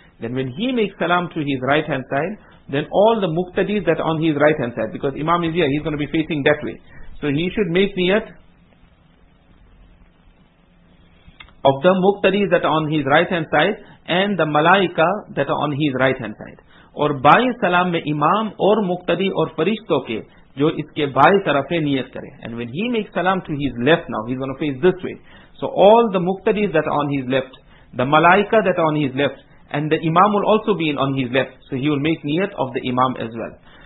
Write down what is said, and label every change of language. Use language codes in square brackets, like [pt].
[en] Then when he makes salam to his right hand side, then all the muqtadis that are on his right hand side, because imam is here, he's going to be facing that way. So he should make niyat of the muqtadis that are on his right hand side, and the malaika that are on his right hand side. [ur] اور بائیں سلام میں امام اور مقتدی اور فرشتوں کے جو اس کے بائیں طرف ہے نیت کرے. [en] And when he make سلام to his left now he's gone to face this way. So all the مقتدیز that on his left, the ملائکہ that on his left, and the امام will also be on his left, so he will make نیت of the امام as well.